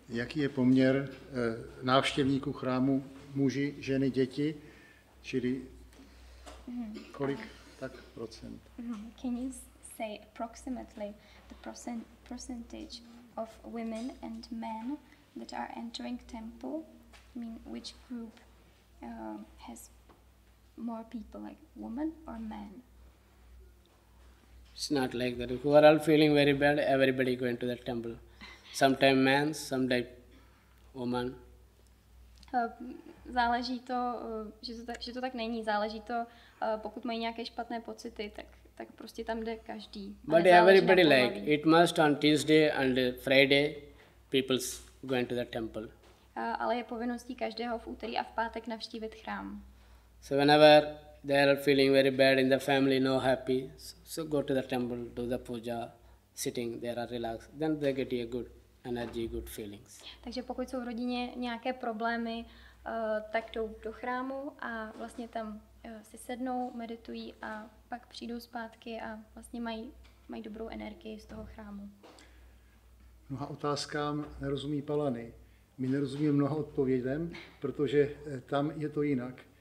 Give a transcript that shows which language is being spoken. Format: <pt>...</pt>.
<cs>Jaký je poměr návštěvníků chrámu, muži, ženy, děti, čili kolik tak procent?</cs> <en>Can you say approximately the percentage of women and men that are entering temple? I mean, which group has more people, like women or men? It's not like that. Who are all feeling very bad, everybody going to the temple. Sometimes men, sometimes women.</en> <cs>Záleží to, že to tak není. Záleží to, pokud mají nějaké špatné pocity, tak prostě tam jde každý.</cs> <en>But everybody like, it must on Tuesday and Friday, people's going to the temple.</en> <cs>Ale je povinností každého v úterý a v pátek navštívit chrám.</cs> <en>So whenever they are feeling very bad in the family, no happy, so go to the temple, do the puja, sitting there are relaxed, then they get a good energy, good feelings.</en> <cs>Takže pokud jsou v rodině nějaké problémy, tak jdou do chrámu a vlastně tam si sednou, meditují a pak přijdou zpátky a vlastně mají dobrou energii z toho chrámu. Mnoha otázkám nerozumí Palany. My nerozumíme mnoha odpovědem, protože tam je to jinak.</cs>